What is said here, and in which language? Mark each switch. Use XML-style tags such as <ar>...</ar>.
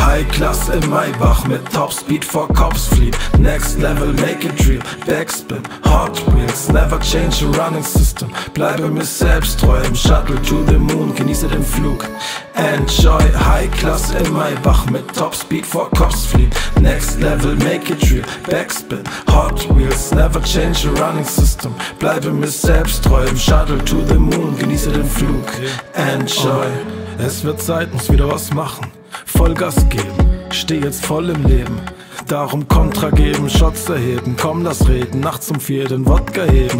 <de>Klasse in Maybach mit Topspeed vor Cops flieht.</de> <en>Next level, make it real, backspin, Hot Wheels. Never change your running system,</en> <de>bleibe mir selbst treu. Im</de> <en>Shuttle to the moon,</en> <de>genieße den Flug.</de> <en>Enjoy, High Class</en> <de>in Maybach mit Topspeed vor Cops flieht.</de> <en>Next level, make it real, backspin, Hot Wheels. Never change your running system,</en> <de>bleibe mir selbst treu.</de> <en>Im Shuttle to the moon,</en> <de>genieße den Flug.</de> <en>Enjoy.</en> <de>Es wird Zeit, muss wieder was machen. Vollgas geben, steh jetzt voll im Leben. Darum Kontra geben, Shots erheben. Komm, lass reden, nachts um vier den Wodka heben.</de>